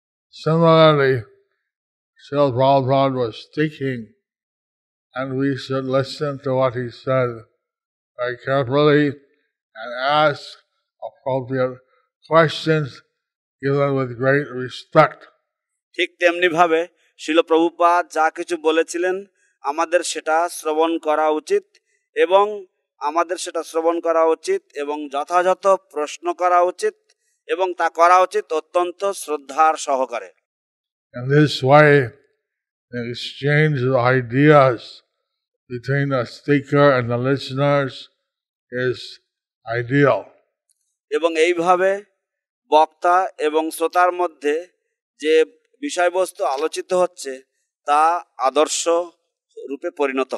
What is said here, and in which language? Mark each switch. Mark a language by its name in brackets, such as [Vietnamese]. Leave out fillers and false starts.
[English] Similarly, Srila Prabhupada was speaking and we should listen to what he said very carefully and ask appropriate questions given with great respect. [Bangla] ঠিক তেমনি ভাবে শ্রীল প্রভুপাদ যা কিছু বলেছিলেন আমাদের সেটা শ্রবণ করা উচিত এবং আমাদের সেটা শ্রবণ করা উচিত এবং যথাযথ প্রশ্ন করা উচিত এবং তা করা উচিত অত্যন্ত শ্রদ্ধার সহকারে. [English] And this way, the exchange of ideas between the speaker and the listeners is ideal. [Bangla] এবং এইভাবে বক্তা এবং শ্রোতার মধ্যে যে বিষয়বস্তু আলোচিত হচ্ছে তা আদর্শ রূপে পরিণত